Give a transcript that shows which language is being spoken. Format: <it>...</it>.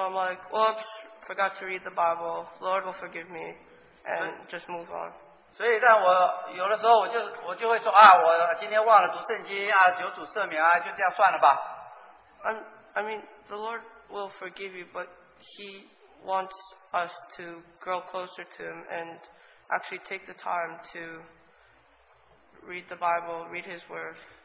<en>I'm like, oops, forgot to read the Bible. Lord will forgive me and just move on.</en> <zh>所以，但我有的时候我就会说啊，我今天忘了读圣经啊，求主赦免啊，就这样算了吧。</zh> <en>I mean, the Lord will forgive you, but He wants us to grow closer to Him and actually take the time to read the Bible, read His Word.</en>